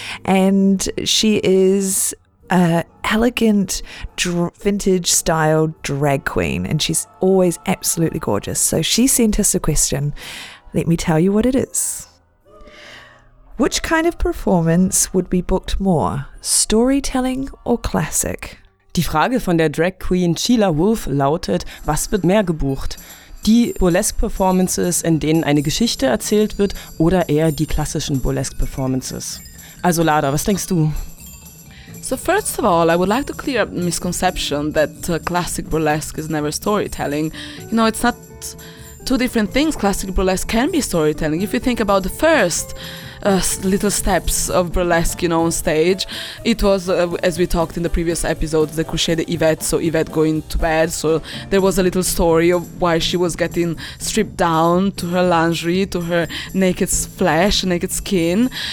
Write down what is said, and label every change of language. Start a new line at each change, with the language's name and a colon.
English: And she is a elegant vintage style drag queen. And she's always absolutely gorgeous. So she sent us a question. Let me tell you what it is. Which kind of performance would be booked more, storytelling or classic?
German: Die Frage von der Drag Queen Sheila Wolf lautet, was wird mehr gebucht? Die Burlesque-Performances, in denen eine Geschichte erzählt wird, oder eher die klassischen Burlesque-Performances? Also Lada, was denkst du?
English: So first of all, I would like to clear up the misconception that classic burlesque is never storytelling. You know, it's not two different things. Classic burlesque can be storytelling. If you think about the first little steps of burlesque, you know, on stage, it was, as we talked in the previous episode, the coucher de Yvette, so Yvette going to bed, so there was a little story of why she was getting stripped down to her lingerie, to her naked flesh, naked skin,